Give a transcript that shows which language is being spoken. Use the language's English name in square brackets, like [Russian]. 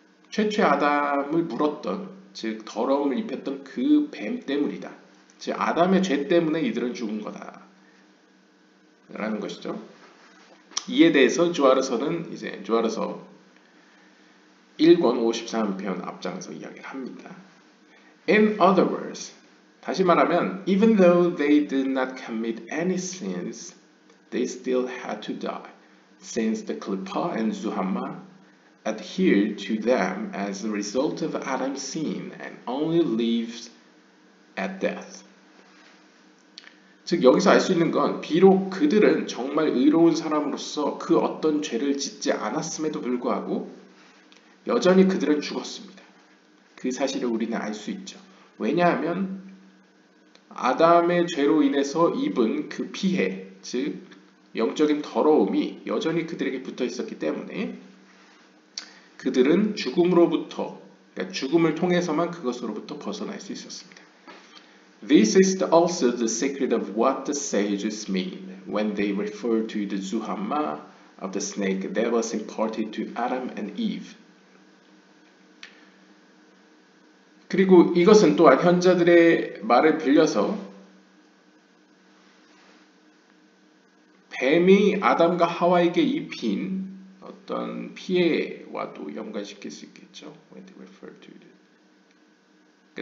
[Korean] 최초의 아담을 물었던, 즉 더러움을 입혔던 그 뱀 때문이다. 즉 아담의 죄 때문에 이들은 죽은 거다. 라는 것이죠. 이에 대해서 조아르서는 이제 조아르서 1권 53편 앞장에서 이야기를 합니다. [English] In other words, [Korean] 다시 말하면 [English] even though they did not commit any sins, they still had to die since the Klippa and Zuhama adhered to them as a result of Adam's sin and only lives at death. [Korean] 즉 여기서 알 수 있는 건 비록 그들은 정말 의로운 사람으로서 그 어떤 죄를 짓지 않았음에도 불구하고 여전히 그들은 죽었습니다. 그 사실을 우리는 알 수 있죠. 왜냐하면 아담의 죄로 인해서 입은 그 피해, 즉 영적인 더러움이 여전히 그들에게 붙어 있었기 때문에 그들은 죽음으로부터, 그러니까 죽음을 통해서만 그것으로부터 벗어날 수 있었습니다. [English] This is also the secret of what the sages mean when they refer to the zuhama of the snake that was imparted to Adam and Eve. [Korean] 그리고 이것은 또한 현자들의 말을 빌려서 뱀이 아담과 하와에게 입힌 어떤 피해와도 연관시킬 수 있겠죠. [English] When they refer to it.